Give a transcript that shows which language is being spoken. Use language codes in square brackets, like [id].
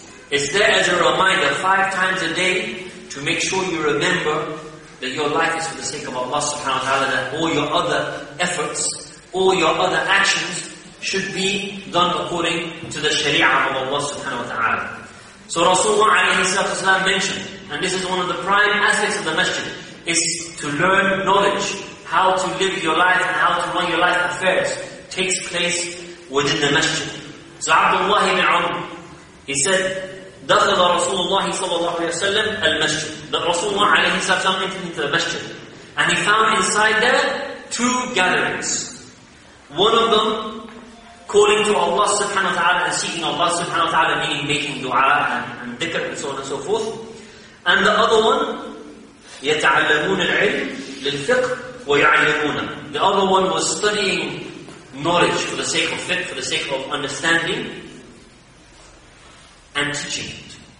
[en] It's there as a reminder five times a day to make sure you remember that your life is for the sake of Allah subhanahu wa ta'ala, that all your other efforts, all your other actions should be done according to the sharia of Allah subhanahu wa ta'ala. So Rasulullah alayhi salatu wasalam mentioned, and this is one of the prime aspects of the masjid, is to learn knowledge, how to live your life and how to run your life affairs, takes place within the masjid. So Abdullah ibn Amr, he said, [ar] دخل رسول الله صلى الله عليه وسلم المسجد. [en] The Rasulullah alayhi salam entered into the masjid. And he found inside there two gatherings. One of them calling to Allah subhanahu wa ta'ala and seeking Allah subhanahu wa ta'ala, meaning making dua and dhikr and so on and so forth. And the other one, [ar] يَتَعَلَّمُونَ الْعِلْمِ لِلْفِقْهِ وَيَعْلَمُونَ [en] The other one was studying knowledge for the sake of fiqh, for the sake of understanding, and teaching it.